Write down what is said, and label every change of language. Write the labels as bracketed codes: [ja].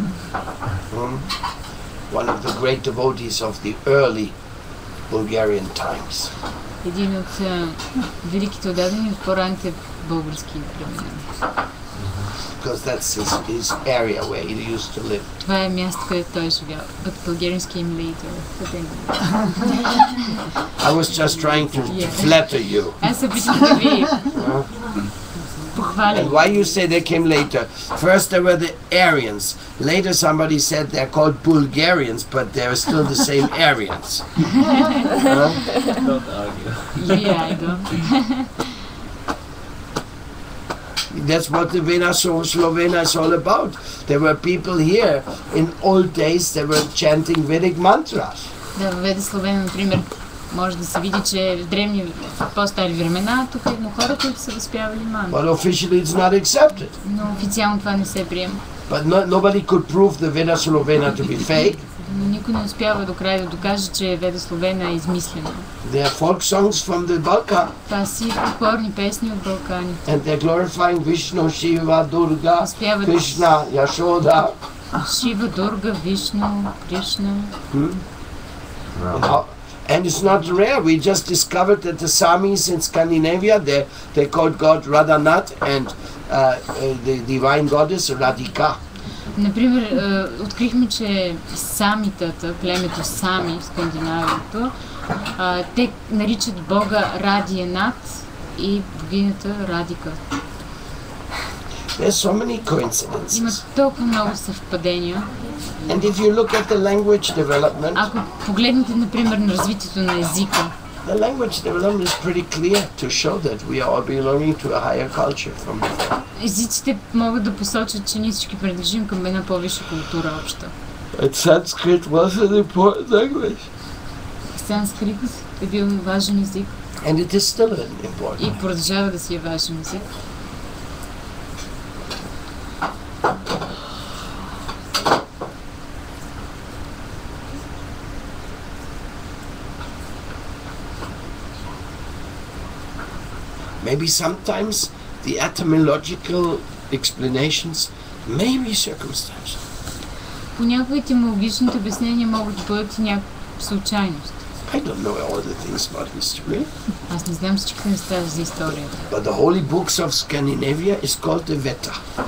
[en] One of the great devotees of the early Bulgarian times. [bg] Един от великите отдадени в по-ранните български времена. [en] Because that's his area where he used to live. [bg] Това е място, където той живял. [en] But Bulgarians came later. I was just trying to flatter you. [bg] Аз се опитвам да ви похвалям. [en] And why you say they came later? First there were the Aryans. Later somebody said they're called Bulgarians, but they're still the same Aryans. Don't argue. Yeah, I don't. That's what the Vena Slovena is all about. There were people here in old days that were chanting Vedic mantras. [bg] Да, в Веда Словена, например, може да се види, че в древни, по-стари времена, тук има хора, които са възпявали мантра. [en] But officially it's not accepted. [bg] Но официално това не се приема. [en] But nobody could prove the Vena Slovena to be fake. [bg] Но никой не успява до края да докаже, че Веда Словена е измислена. [en] They are folk songs from the Balkan. [bg] Та си покорни песни от Балканите. [en] And they're glorifying Vishnu, Shiva, Durga, [bg] успяват [en] Krishna, Yashoda. [bg] Shiva, Durga, Vishnu, Krishna. [en] And it's not rare. We just discovered that the Samis in Scandinavia, they called God Radhanath and the divine goddess Radhika. [bg] Например, открихме, че самитата, племето Сами в Скандинавието, те наричат Бога Радианат и богинята Радика. [en] There's so many coincidences. [bg] Има толкова много съвпадения. [en] And if you look at the language development, [bg] ако погледнете, например, на развитието на езика, [en] the language development is pretty clear to show that we are all belonging to a higher culture from before. [bg] Езиците могат да посочат, че ние всички принадлежим към една по-висша култура обща. [en] But Sanskrit was an important language. [bg] Санскрит е бил важен език. [en] And it is still an important [bg] language. И продължава да си е важен език. [en] Maybe sometimes the etymological explanations may be circumstantial. [bg] Понякога етимологичните обяснения могат да бъдат и някаква случайност. [en] I don't know all the things about history. [bg] Аз не знам всички неща за историята. [en] But the holy books of Scandinavia is called the Veta.